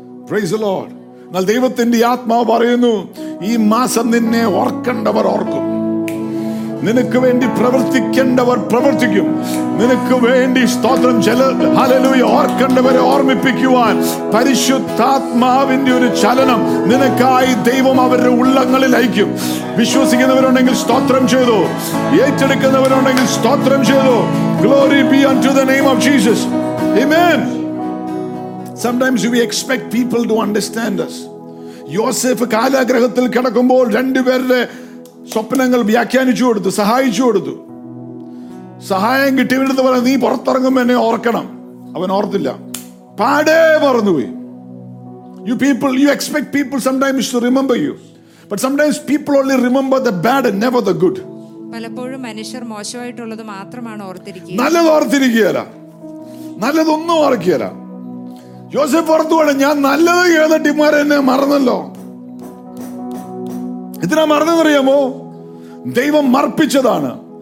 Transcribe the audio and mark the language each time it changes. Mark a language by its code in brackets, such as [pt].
[en] Praise the Lord. [ml] എന്നാൽ ദൈവത്തിന്റെ ആത്മാവ് പറയുന്നു, ഈ മാസം നിന്നെ ഓർക്കേണ്ടവർ ഓർക്കും, നിനക്ക് വേണ്ടി പ്രവർത്തിക്കേണ്ടവർ പ്രവർത്തിക്കും, നിനക്ക് വേണ്ടി സ്തോത്രം ചില ഹല്ലേലൂയ ഓർക്കേണ്ടവരെ ഓർമ്മിപ്പിക്കുവാൻ പരിശുദ്ധാത്മാവിന്റെ ഒരു ചലനം നിനക്കായി ദൈവം അവരുടെ ഉള്ളങ്ങളിൽ അയക്കും. വിശ്വസിക്കുന്നവരുണ്ടെങ്കിൽ സ്തോത്രം ചെയ്തു, ഏറ്റെടുക്കുന്നവരുണ്ടെങ്കിൽ സ്തോത്രം ചെയ്തു. [en] Glory be unto the name of Jesus. Amen. Sometimes we expect people to understand us. [ml] യോസെഫ് കാലാഗ്രഹത്തിൽ കിടക്കുമ്പോൾ രണ്ടുപേരുടെ സ്വപ്നങ്ങൾ വ്യാഖ്യാനിച്ചു കൊടുത്തു, സഹായിച്ചു കൊടുത്തു. സഹായം കിട്ടിയവരുടെ പറഞ്ഞു, നീ പുറത്തിറങ്ങുമ്പോ എന്നെ ഓർക്കണം. അവൻ ഓർത്തില്ല, പാടേ മറന്നുപോയി. [en] You expect people sometimes to remember you, but sometimes people only remember the bad and never the good. [ml] പലപ്പോഴും മനുഷ്യർ മോശമായിട്ടുള്ളത് മാത്രമാണ് ഓർത്തിരിക്കുക. നല്ലത് ഓർത്തിരിക്കുകയല്ല, നല്ലതൊന്നും ഓർക്കുകയല്ല. യോസെഫ് ഓർത്തു പോകണം, ഞാൻ നല്ലത് കേട്ട ഇമാരെന്നെ മറന്നല്ലോ. ഇതിനാ മറന്നതെന്നറിയാമോ? ദൈവം മർപ്പിച്ചതാണ്.